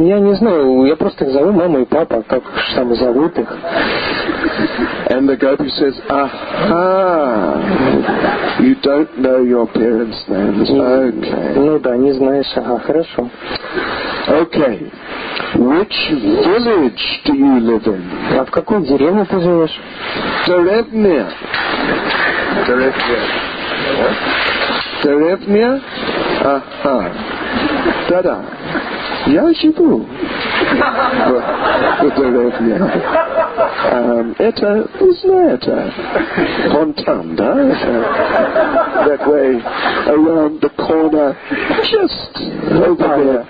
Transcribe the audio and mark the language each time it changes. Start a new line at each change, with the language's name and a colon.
Russian: Я не знаю, я просто их зову Мама и Папа, как же там зовут их.
English: And the gopi says, aha, you don't know your parents' names. Okay.
Russian: Ну да, не знаешь, ага, хорошо.
English: Okay. Which village do you live in?
Russian: А в какой деревне ты живешь? Деревня. Деревня. Деревня? Ага. Да-да. Я живу. В деревне. Это, не знаю, это фонтан, да?
English: That way, around the corner, just over there.